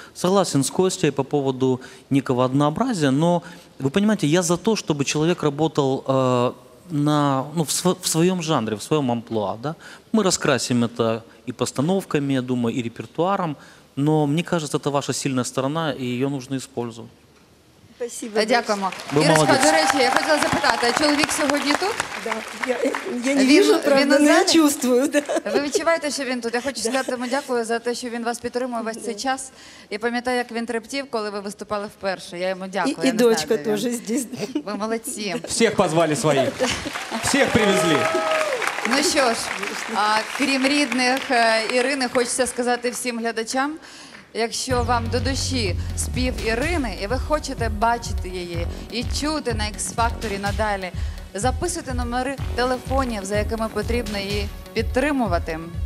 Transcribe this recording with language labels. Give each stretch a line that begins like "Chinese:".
Russian: Согласен с Костей по поводу некого однообразия, но, вы понимаете, я за то, чтобы человек работал в своем жанре, в своем амплуа. Да? Мы раскрасим это и постановками, я думаю, и репертуаром, но мне кажется, это ваша сильная сторона, и ее нужно использовать. Спасибо.
Ukrainian: Дякуємо. Ірочка, до речі, я хотіла запитати, а чоловік сьогодні тут?
Russian: Так, да. Я не вижу, правда, не чувствую. Да.
Ukrainian: Ви відчуваєте, що він тут? Я хочу сказати йому дякую за те, що він вас підтримує весь цей час. Я пам'ятаю, як він трептів, коли ви виступали вперше. Я йому дякую. І дочка теж тут. Ви молодці. Всіх позвали своїх. Всіх привезли. Ну що ж, крім рідних Ірини, хочеться сказати всім глядачам, якщо вам до душі спів Ірини, і ви хочете бачити її і чути на X-Factor надалі, записуйте номери телефонів, за якими потрібно її підтримувати.